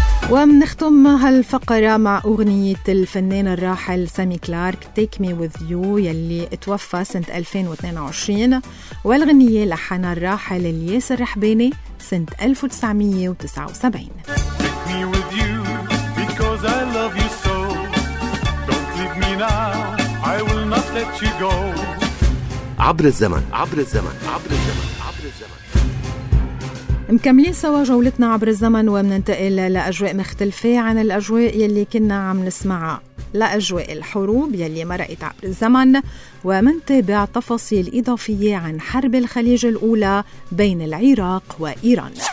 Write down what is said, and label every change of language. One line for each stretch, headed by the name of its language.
Arabic: ومنختم هالفقرة مع أغنية الفنان الراحل سامي كلارك Take Me With You يلي توفى سنة 2022، والغنية لحنها الراحل ياسر رحباني سنة 1979.
English: Take me with you because I love you so. Don't leave me now, I will not let you go.
Arabic: عبر الزمن عبر الزمن عبر الزمن. مكملين سوا جولتنا عبر الزمن ومننتقل لأجواء مختلفة عن الأجواء يلي كنا عم نسمعها، لأجواء الحروب يلي مرقت عبر الزمن، ومنتابع تفاصيل إضافية عن حرب الخليج الأولى بين العراق وإيران.